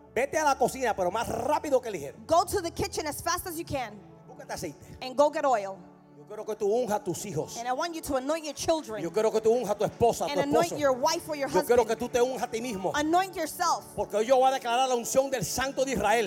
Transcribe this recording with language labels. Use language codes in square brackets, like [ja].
[es] Vete a la cocina, pero más rápido que ligero. [en] Go to the kitchen as fast as you can. [es] Aceite. [en] And go get oil. [es] Yo quiero que tú unjas tus hijos. [en] And I want you to anoint your children. [es] Yo quiero que tú unjas tu esposa, [en] and [es] tu esposo. [en] Anoint your wife or your husband. [es] Yo quiero que tú te unjas a ti mismo. [en] Anoint yourself. [es] Porque yo voy a declarar la unción del Santo de Israel.